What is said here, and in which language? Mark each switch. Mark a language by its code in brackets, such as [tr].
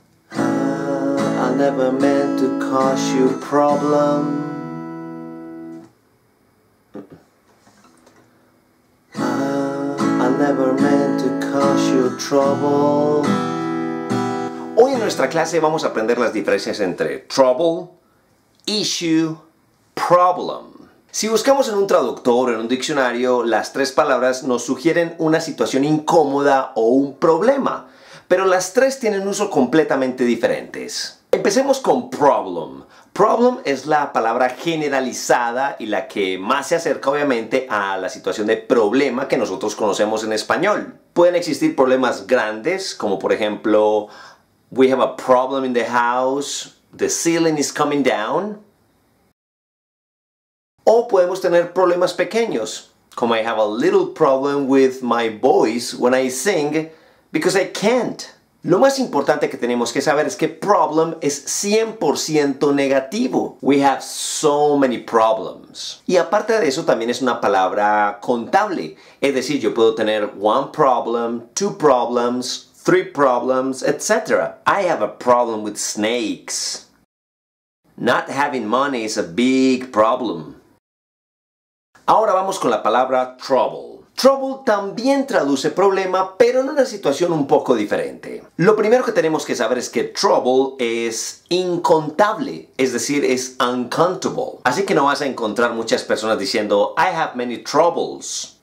[en] I never meant to cause you problem. I never meant to cause you trouble. [es] Hoy en nuestra clase vamos a aprender las diferencias entre trouble, issue, problem. Si buscamos en un traductor o en un diccionario, las tres palabras nos sugieren una situación incómoda o un problema, pero las tres tienen uso completamente diferentes. Empecemos con problem. Problem es la palabra generalizada y la que más se acerca obviamente a la situación de problema que nosotros conocemos en español. Pueden existir problemas grandes, como por ejemplo, [en] we have a problem in the house, the ceiling is coming down. [es] O podemos tener problemas pequeños, como [en] I have a little problem with my voice when I sing because I can't. [es] Lo más importante que tenemos que saber es que problem es 100% negativo. [en] We have so many problems. [es] Y aparte de eso, también es una palabra contable. Es decir, yo puedo tener [en] one problem, two problems, three problems, [es] etc. [en] I have a problem with snakes. Not having money is a big problem. [es] Ahora vamos con la palabra trouble. Trouble también traduce problema, pero en una situación un poco diferente. Lo primero que tenemos que saber es que trouble es incontable, es decir, es uncountable. Así que no vas a encontrar muchas personas diciendo, [en] I have many troubles.